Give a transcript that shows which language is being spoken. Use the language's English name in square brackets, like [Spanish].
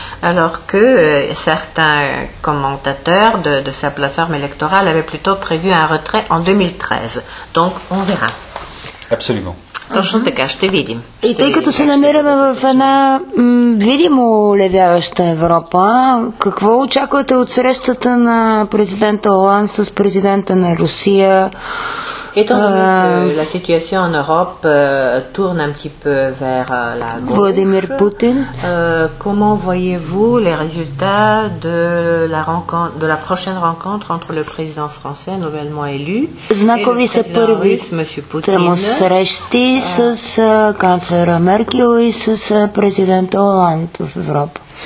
[French] Alors que certains commentateurs de sa plateforme électorale avaient plutôt prévu un retrait en 2013. Donc, on verra. Absolument. [Bulgarian] Точно така, ще видим. И тъй като се намираме в една видимо левяваща Европа, какво очаквате от срещата на президента Олан с президента на Русия? [French] Étant donné que la situation en Europe tourne un petit peu vers la gauche, Vladimir Poutine. Comment voyez-vous les résultats de la rencontre, de la prochaine rencontre entre le président français nouvellement élu [Bulgarian] Знакови [French] et le président russe, M. [Bulgarian] Poutine с канцлера Меркел и с президента Оланд в Европа?